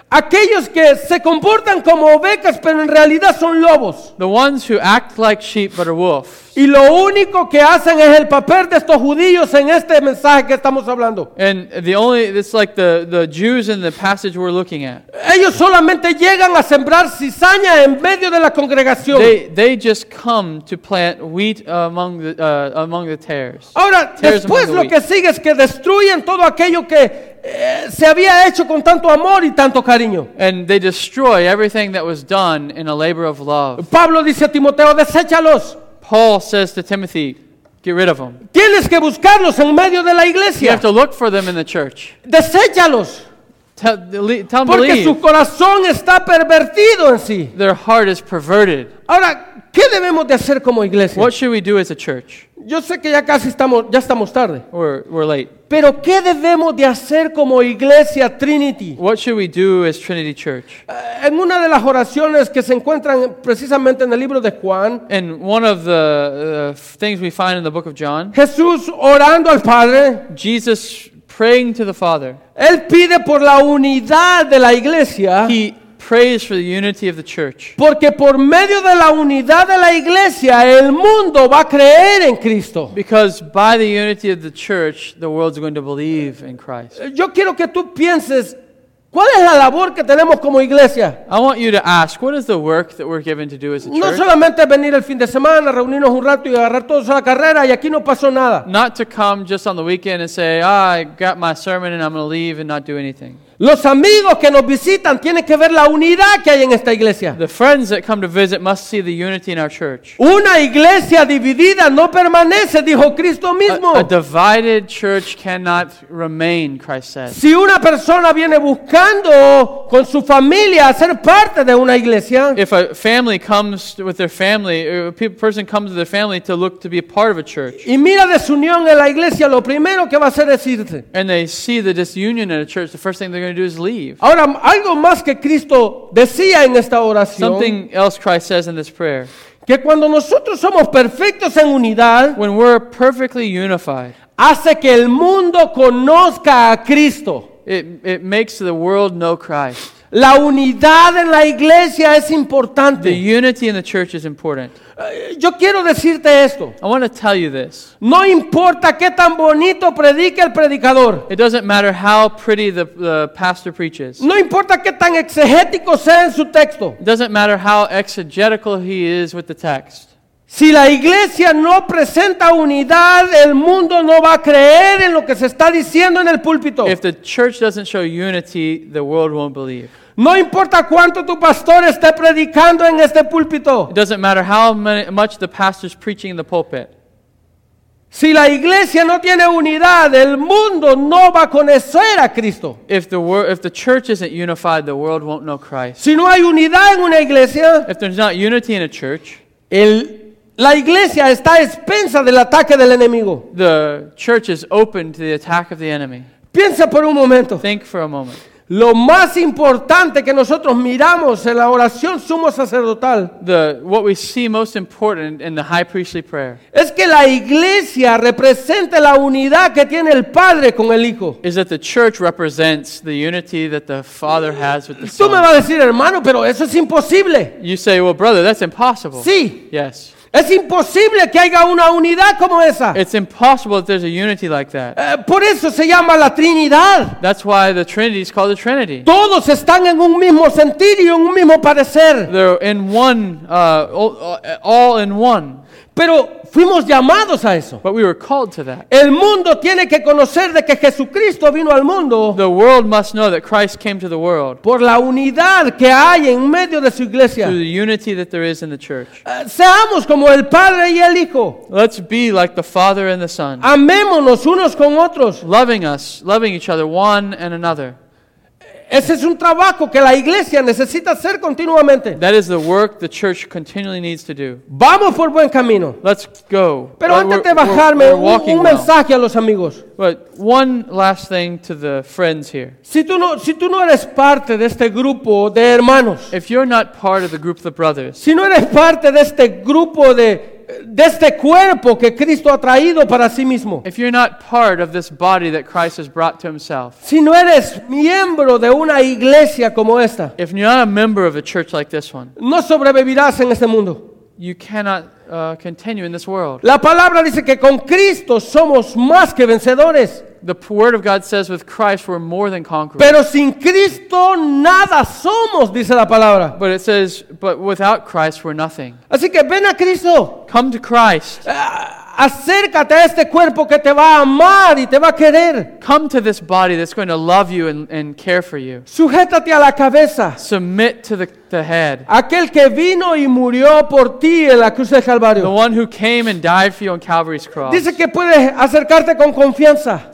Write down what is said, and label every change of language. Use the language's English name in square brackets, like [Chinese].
[Spanish] Aquellos que se comportan como ovejas, pero en realidad son lobos. [English] The ones who act like sheep but are wolves. [Spanish] Y lo único que hacen es el papel de estos judíos en este mensaje que estamos hablando. [English] And the only, it's like the Jews in the passage we're looking at. [Spanish] Ellos solamente llegan a sembrar cizaña en medio de la congregación. [English] They just come to plant wheat among the tares. [Spanish] Ahora, después lo que sigue es que destruyen todo aquello que se había hecho con tanto amor y tanto cariño. [English] And they destroy everything that was done in a labor of love. [Spanish] Pablo dice a Timoteo, deséchalos. [English] Paul says to Timothy, get rid of them. [Spanish] Tienes que buscarlos en medio de la iglesia. [English] You have to look for them in the church. [Spanish] Deséchalos. [English] Tell them [Spanish] porque [English] to leave. [Spanish] Su corazón está pervertido en sí. [English] Their heart is perverted. [Spanish] Ahora, ¿qué debemos de hacer como iglesia? [English] What should we do as a church? [Spanish] Yo sé que ya casi estamos tarde. [English] We're late. [Spanish] Pero ¿qué debemos de hacer como iglesia Trinity? [English] What should we do as Trinity Church? [Spanish] En una de las oraciones que se encuentran precisamente en el libro de Juan, [English] in one of the things we find in the book of John, [Spanish] Jesús orando al Padre, [English] Jesus praying to the Father. [Spanish] Él pide por la unidad de la iglesia. [English] He prays for the unity of the church. [Spanish] Porque por medio de la unidad de la iglesia, el mundo va a creer en Cristo. [English] Because by the unity of the church, the world's going to believe in Christ. [Spanish] Yo quiero que tú pienses, ¿cuál es la labor que tenemos como iglesia? [English] I want you to ask, what is the work that we're given to do as a church? [Spanish] No solamente venir el fin de semana, reunirnos un rato y agarrar todos a la carrera y aquí no pasó nada. [English] Not to come just on the weekend and say, I got my sermon and I'm going to leave and not do anything. [Spanish] Los amigos que nos visitan tienen que ver la unidad que hay en esta iglesia. [English] The friends that come to visit must see the unity in our church. [Spanish] Una iglesia dividida no permanece, dijo Cristo mismo. [English] A divided church cannot remain, Christ said. [Spanish] Si una persona viene buscando con su familia ser parte de una iglesia, [English] if a family comes with their family, a person comes with their family to look to be a part of a church, [Spanish] y mira desunión en la iglesia, lo primero que va a hacer es irse. [English] And they see the disunion in a church, the first thing they're going to do is leave. [Spanish] Ahora, algo más que Cristo decía en esta oración, [English] something else Christ says in this prayer, [Spanish] que cuando nosotros somos perfectos en unidad, [English] when we're perfectly unified, [Spanish] hace que el mundo conozca a Cristo. [English] It makes the world know Christ. [Spanish] La unidad en la iglesia es importante. [English] The unity in the church is important. [Spanish] Yo quiero decirte esto. [English] I want to tell you this. [Spanish] No importa qué tan bonito predique el predicador. [English] It doesn't matter how pretty the pastor preaches. [Spanish] No importa qué tan exegético sea en su texto. [English] It doesn't matter how exegetical he is with the text. [Spanish] Si la iglesia no presenta unidad, el mundo no va a creer en lo que se está diciendo en el púlpito. [English] If the church doesn't show unity, the world won't believe. [Spanish] No importa cuánto tu pastor esté predicando en este púlpito. [English] It doesn't matter how much the pastor's preaching in the pulpit. [Spanish] Si la iglesia no tiene unidad, el mundo no va a conocer a Cristo. [English] If the church isn't unified, the world won't know Christ. [Spanish] Si no hay unidad en una iglesia, [English] if there's not unity in a church, [Spanish] la iglesia está expensa del ataque del enemigo. [English] The church is open to the attack of the enemy. [Spanish] Piensa por un momento. [English] Think for a moment. [Spanish] Lo más importante que nosotros miramos en la oración sumo sacerdotal, [English] what we see most important in the high priestly prayer, [Spanish] es que la iglesia represente la unidad que tiene el Padre con el Hijo. [English] Is that the church represents the unity that the Father has with the Son. [Spanish] Tú me vas a decir, hermano, pero eso es imposible. [English] You say, well, brother, that's impossible. [Spanish] Sí. [English] Yes. [Spanish] Es imposible que haya una unidad como esa. [English] It's impossible that there's a unity like that. [Spanish] Por eso se llama la Trinidad. [English] That's why the Trinity is called the Trinity. [Spanish] Todos están en un mismo sentir y en un mismo parecer. [English] They're in one, all in one. [Spanish] Pero fuimos llamados a eso. [English] But we were called to that. [Spanish] El mundo tiene que conocer de que Jesucristo vino al mundo. [English] The world must know that Christ came to the world. [Spanish] Por la unidad que hay en medio de su iglesia. [English] Through the unity that there is in the church. [Spanish] Seamos como el Padre y el Hijo. [English] Let's be like the Father and the Son. [Spanish] Amémonos unos con otros. [English] Loving each other, one and another. [Spanish] Ese es un trabajo que la iglesia necesita hacer continuamente. [English] That is the work the church continually needs to do. [Spanish] Vamos por buen camino. [English] Let's go. [Spanish] Pero antes de bajarme, un mensaje a los amigos. [English] But one last thing to the friends here. [Spanish] Si tú no eres parte de este grupo de hermanos. [English] If you're not part of the group of the brothers. [Spanish] Si no eres parte de este grupo de este cuerpo que Cristo ha traído para sí mismo. [English] If you're not part of this body that Christ has brought to himself. [Spanish] Si no eres miembro de una iglesia como esta. [English] If you're not a member of a church like this one. [Spanish] No sobrevivirás en este mundo. [English] You cannot continue in this world. [Spanish] La palabra dice que con Cristo somos más que vencedores. [English] The word of God says with Christ we're more than conquerors. [Spanish] Pero sin Cristo nada somos, dice la palabra. [English] But it says, but without Christ we're nothing. [Spanish] Así que ven a Cristo. [English] Come to Christ. [Spanish] Acércate a este cuerpo que te va a amar y te va a querer. [English] Come to this body that's going to love you and care for you. [Spanish] Sujétate a la cabeza. [English] Submit to the head. [Spanish] Aquel que vino y murió por ti en la cruz del Calvario. [English] The one who came and died for you on Calvary's cross. [Spanish] Dice que puedes acercarte con confianza.